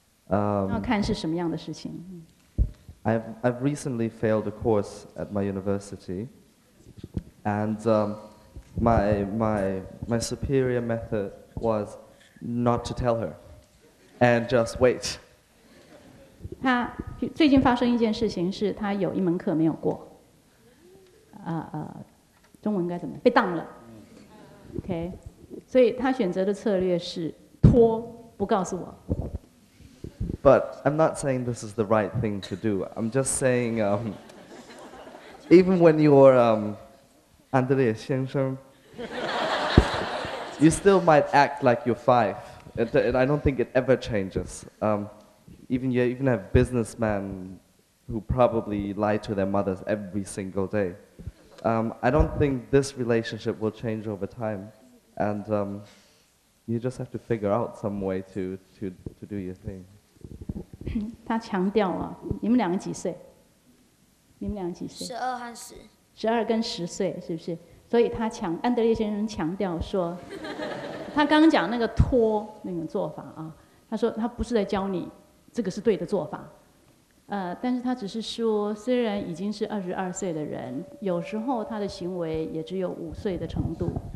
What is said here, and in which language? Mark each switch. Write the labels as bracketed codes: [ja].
[zh] 要看是什么样的事情。 [en] I've recently failed a course at my university, and my superior method was not to tell her, and just wait. [zh] 他最近发生一件事情是他有一门课没有过。中文该怎么被当了 ？OK。所以他选择的策略是拖，不告诉我。 [en] But I'm not saying this is the right thing to do. I'm just saying, even when you're Andrea 先生 you still might act like you're five. And I don't think it ever changes. Even have businessmen who probably lie to their mothers every single day. I don't think this relationship will change over time. And you just have to figure out some way to do your thing. [zh] 他强调啊，你们两个几岁？你们两个几岁？十二和十。十二跟十岁是不是？所以他强，安德烈先生强调说，他刚刚讲那个拖那个做法啊，他说他不是在教你这个是对的做法，但是他只是说，虽然已经是22岁的人，有时候他的行为也只有5岁的程度。